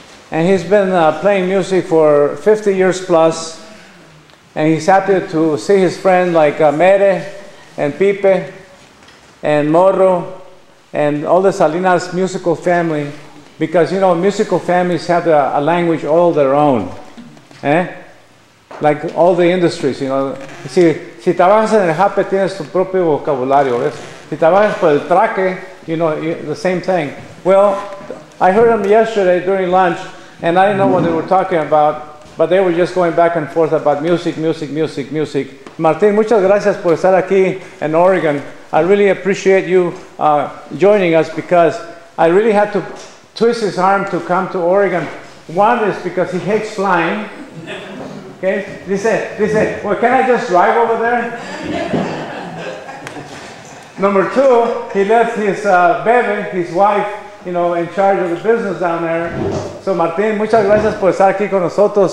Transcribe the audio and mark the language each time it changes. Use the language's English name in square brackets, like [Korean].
[English] And he's been playing music for 50 years plus. And he's happy to see his friend like Mere and Pipe and Morro and all the Salinas musical family. Because, you know, musical families have a language all their own. Eh? Like all the industries, you know. [Spanish] Si trabajas en el JAPE, tienes tu propio vocabulario. Si trabajas por el traque, [English] you know, the same thing. Well, I heard them yesterday during lunch, and I didn't know what they were talking about, but they were just going back and forth about music, music, music, music. [Spanish] Martin, muchas gracias por estar aquí [English] in Oregon. I really appreciate you joining us because I really had to twist his arm to come to Oregon. One is because he hates flying. Okay? They said, well, can I just drive over there? Number two, he left his baby, his wife, you know, in charge of the business down there. [Spanish] So, Martin, muchas gracias por estar aquí con nosotros.